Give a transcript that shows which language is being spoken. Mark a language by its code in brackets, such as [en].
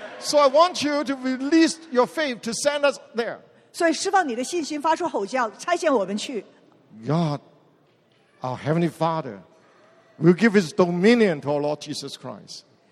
[en] So I want you to release your faith to send us there. [zh] 所以释放你的信心，发出吼叫，差遣我们去。 [en] God, our Heavenly Father, will give His dominion to our Lord Jesus Christ.